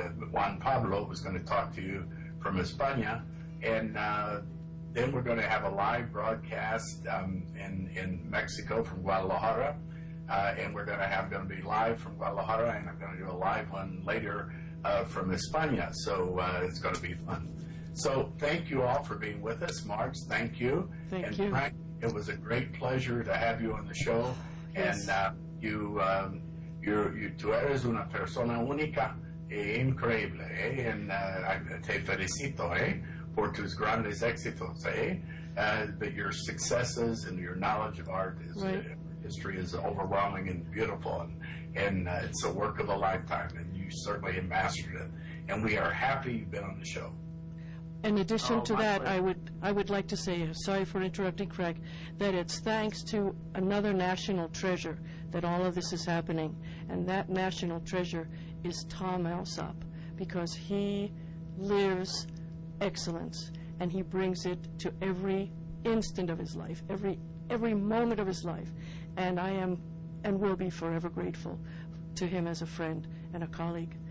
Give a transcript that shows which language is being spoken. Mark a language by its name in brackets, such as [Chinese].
[English] Juan Pablo is going to talk to you from España. And then we're going to have a live broadcast in Mexico from Guadalajara. And we're going to be live from Guadalajara, and I'm going to do a live one later from España. So it's going to be fun. So thank you all for being with us. Marge, thank you. Thank you. Frank, it was a great pleasure to have you on the show. Yes. And you [Spanish] tú eres una persona única e increíble, eh? [English] And [Spanish] te felicito, eh? Por tus grandes éxitos, eh? [English] But your successes and your knowledge of art is history is overwhelming and beautiful, and it's a work of a lifetime, and you certainly have mastered it. And we are happy you've been on the show. In addition to that, I would like to say, sorry for interrupting, Craig, that it's thanks to another national treasure that all of this is happening, and that national treasure is Tom Alsop, because he lives excellence, and he brings it to every instant of his life, every moment of his life, and I am and will be forever grateful to him as a friend and a colleague.